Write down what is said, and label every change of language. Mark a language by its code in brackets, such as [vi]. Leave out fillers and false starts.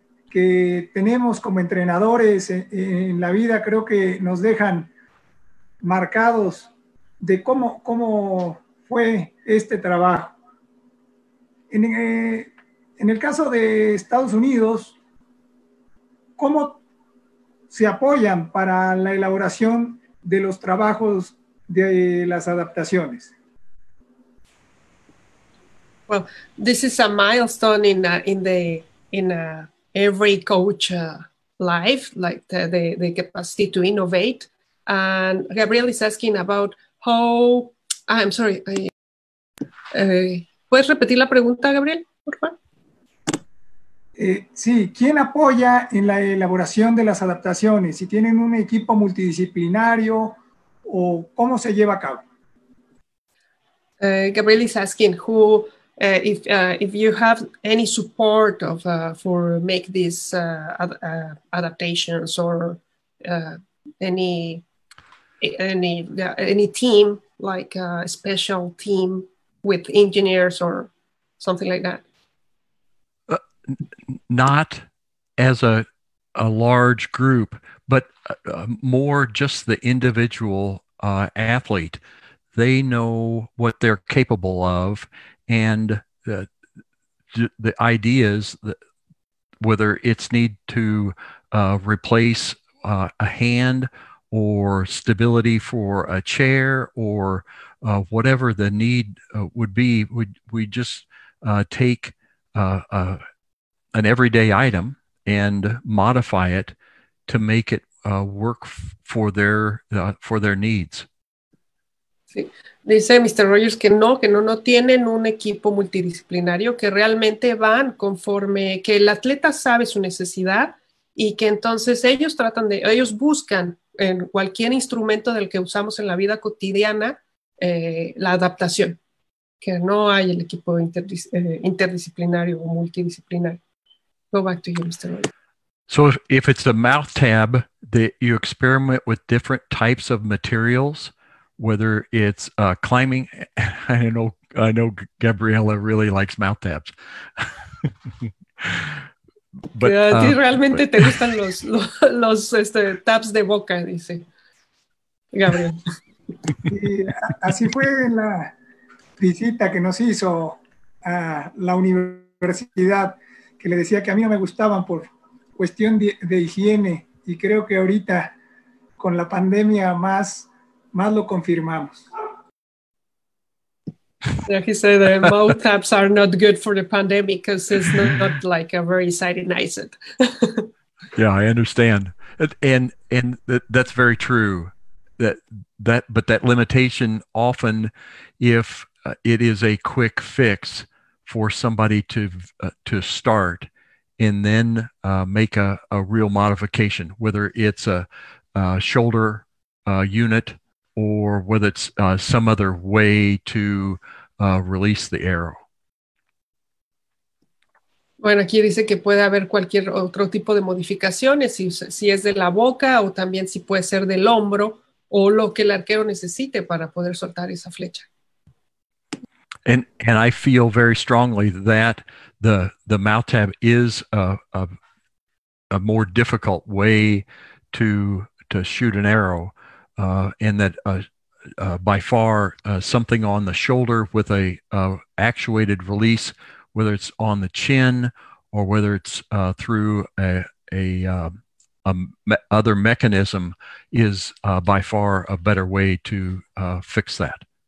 [es] que tenemos como entrenadores en la vida creo que nos dejan marcados de cómo fue este trabajo. En el caso de Estados Unidos, ¿cómo se apoyan para la elaboración de los trabajos de las adaptaciones? [en] Well, this is a milestone every coach life, like the capacity to innovate. And Gabriel is asking about how. I'm sorry. [es] ¿Puedes repetir la pregunta, Gabriel, por favor? Sí, ¿quién apoya en la elaboración de las adaptaciones? ¿Si tienen un equipo multidisciplinario o cómo se lleva a cabo? [en] Gabriel is asking who, if you have any support of for make these adaptations or any team, like a special team with engineers or something like that. Not as a large group, but more just the individual athlete. They know what they're capable of, and the ideas that whether it's need to replace a hand or stability for a chair or whatever the need would be, we just take an everyday item and modify it to make it work for their needs. [es] Sí. Dice Mr. Rogers que no tienen un equipo multidisciplinario, que realmente van conforme que el atleta sabe su necesidad y que entonces ellos buscan en cualquier instrumento del que usamos en la vida cotidiana la adaptación, que no hay el equipo interdisciplinario o multidisciplinario. [en] Go back to you, Mr. Rogers. So if it's a mouth tab, that you experiment with different types of materials, whether it's climbing. I know Gabriela really likes mouth tabs. [es] But a ti realmente te gustan los tabs de boca, dice Gabriel. Así fue en la visita que nos hizo a la universidad, que le decía que a mí no me gustaban por cuestión de higiene, y creo que ahorita con la pandemia más lo confirmamos. [en] Yeah, he said that mouth taps are not good for the pandemic because it's not like a very sanitized. Yeah, I understand, and that's very true. But that limitation often, if it is a quick fix for somebody to start and then make a real modification, whether it's a shoulder unit or whether it's some other way to release the arrow. [es] Bueno, aquí dice que puede haber cualquier otro tipo de modificaciones, si es de la boca o también si puede ser del hombro o lo que el arquero necesite para poder soltar esa flecha. [en] And I feel very strongly that the mouth tab is a more difficult way to shoot an arrow, and that by far something on the shoulder with a actuated release, whether it's on the chin or whether it's through other mechanism, is by far a better way to fix that.